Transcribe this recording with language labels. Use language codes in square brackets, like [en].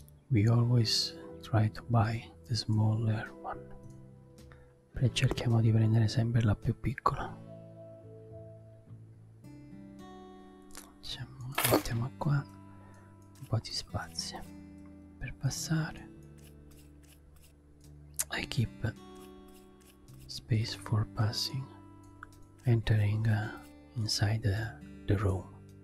[en] We always try to buy the smaller one. [it] Però cerchiamo di prendere sempre la più piccola. Facciamo, mettiamo qua un po' di spazio per passare. [en] I keep space for passing, entering inside the room.